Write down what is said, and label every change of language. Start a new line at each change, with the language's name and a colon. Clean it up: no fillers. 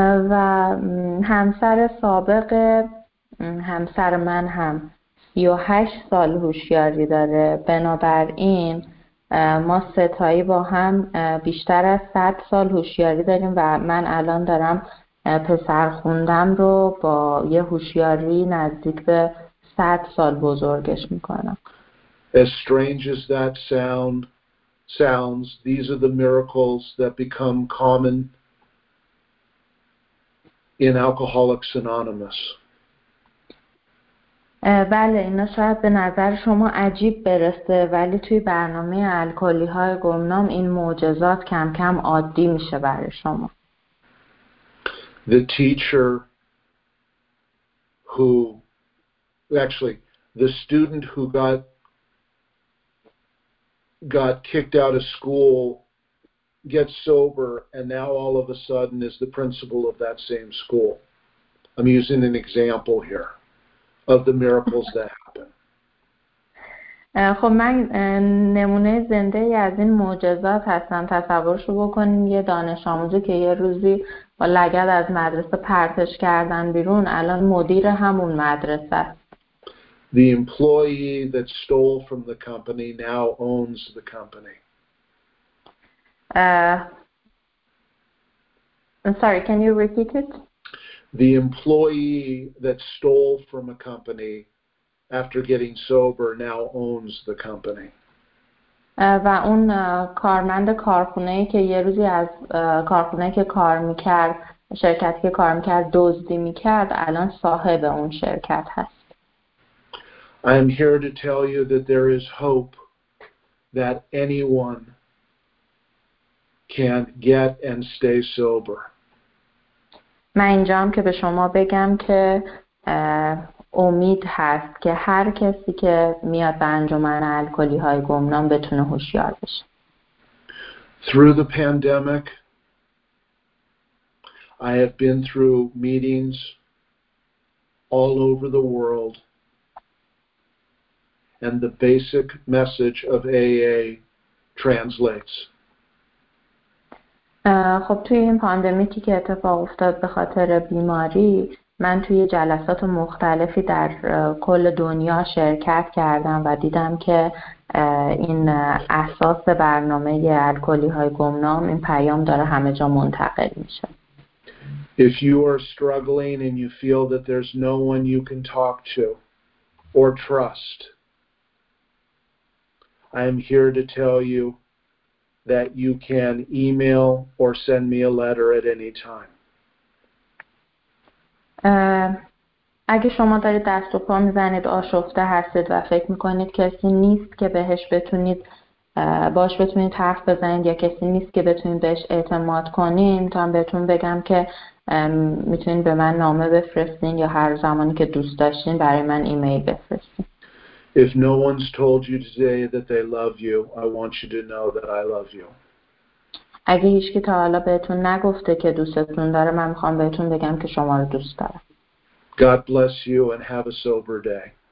Persian: و همسر سابق همسر من هم 38 سال هوشیاری داره، بنابراین ما ستایی با هم بیشتر از 100 سال هوشیاری داریم و من الان دارم پسر خوندم رو با یه هوشیاری نزدیک به 100 سال بزرگش میکنم.
English: As strange as that sounds, these are the miracles that become common in Alcoholics Anonymous.
Persian: بله اینا شاید به نظر شما عجیب برسه ولی توی برنامه الکلی های گمنام این معجزات کم کم عادی میشه برای شما.
English: The teacher who actually the student who got kicked out of school gets sober and now all of a sudden is the principal of that same school. I'm using an example here. Of the miracles that happen.
Persian: خب من نمونه زنده ای از این معجزات هستم. تصورشو بکنیم یه دانش آموزی که یه روزی با لگد از مدرسه پرتش کردن بیرون الان مدیر همون مدرسه.
English: The employee that stole from the company now owns the company. I'm sorry, can you repeat it? the employee that stole from a company after getting sober now owns the company.
Persian: و اون کارمند کارخونه‌ای که یه روزی از کارخونه‌ای که کار می‌کرد، شرکتی که کار می‌کرد دزدی می‌کرد، الان صاحب اون شرکت هست.
English: I am here to tell you that there is hope that anyone can get and stay sober.
Persian: من اینجام که به شما بگم که امید هست که هر کسی که میاد به انجمن الکلی‌های گمنام بتونه هوشیار بشه.
English: Through the pandemic, I have been through meetings all over the world, and the basic message of AA translates.
Persian: خب توی این پاندمیکی که اتفاق افتاد به خاطر بیماری من توی جلسات مختلفی در کل دنیا شرکت کردم و دیدم که این اساس برنامه الکلی های گمنام این پیام داره همه جا منتقل میشه.
English: If you are struggling and you feel that there's no one you can talk to or trust, I am here to tell you that you can email or send me a letter at any time.
Persian: اگه شما دارید دست و پا میزنید آشفته هستید و فکر میکنید کسی نیست که بهش بتونید باش بتونید حرف بزنید یا کسی نیست که بتونید بهش اعتماد کنید، میتونم بهتون بگم که میتونید به من نامه بفرستین یا هر زمانی که دوست داشتین برای من ایمیل بفرستین.
English: If no one's told you today that they love you, I want you to know that I love you.
Persian: اگه هیچ کی تا حالا بهتون نگفته که دوستتون داره، من میخوام بهتون بگم که شما رو دوست دارم.
English: God bless you and have a sober day.